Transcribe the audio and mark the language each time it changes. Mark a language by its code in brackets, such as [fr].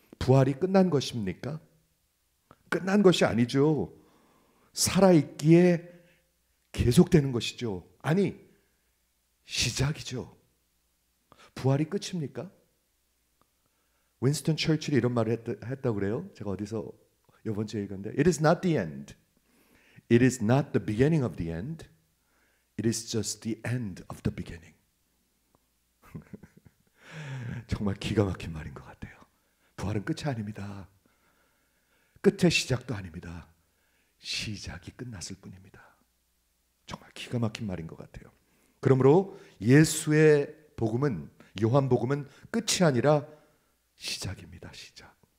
[ko] 부활이 끝난 것입니까? 끝난 것이 아니죠. 살아있기에 계속되는 것이죠. 아니 시작이죠. 부활이 끝입니까? 윈스턴 처칠이 이런 말을 했다고 그래요. 제가 어디서 이번 주에 읽었는데 [en] It is not the end. It is not the beginning of the end. It is just the end of the beginning. [ko] 정말 기가 막힌 말인 것 같아요. 부활은 끝이 아닙니다. 끝의 시작도 아닙니다. 시작이 끝났을 뿐입니다. 정말 기가 막힌 말인 것 같아요. 그러므로 예수의 복음은 요한복음은 끝이 아니라 시작입니다. 시작.